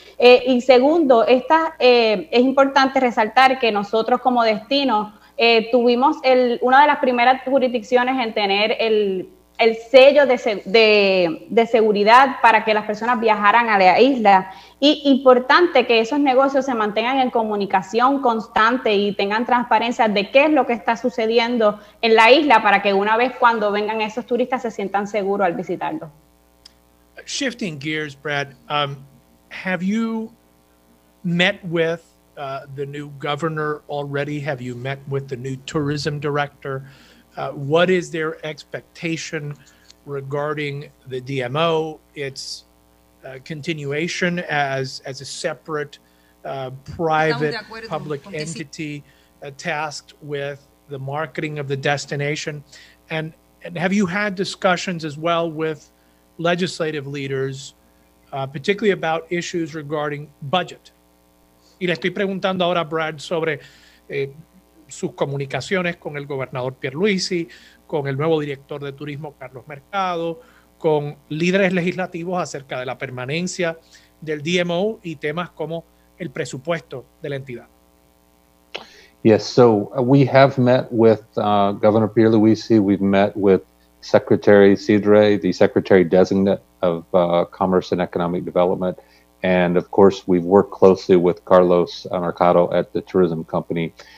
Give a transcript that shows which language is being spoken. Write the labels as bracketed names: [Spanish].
[Spanish] Y segundo, es importante resaltar que nosotros como destino tuvimos una de las primeras jurisdicciones en tener el sello de seguridad para que las personas viajaran a la isla. Y importante que esos negocios se mantengan en comunicación constante y tengan transparencia de qué es lo que está sucediendo en la isla para que una vez cuando vengan esos turistas se sientan seguros al visitarlo. [English] Shifting gears, Brad, have you met with the new governor already? Have you met with the new tourism director? What is their expectation regarding the DMO, its continuation as a separate private public entity tasked with the marketing of the destination? And have you had discussions as well with legislative leaders, particularly about issues regarding budget? [Spanish] Y le estoy preguntando ahora a Brad sobre sus comunicaciones con el gobernador Pierluisi, con el nuevo director de turismo Carlos Mercado, con líderes legislativos acerca de la permanencia del DMO y temas como el presupuesto de la entidad. [English] Yes, so we have met with Governor Pierluisi, we've met with Secretary Cidre, the Secretary Designate of Commerce and Economic Development. And of course, we've worked closely with Carlos Mercado at the tourism company.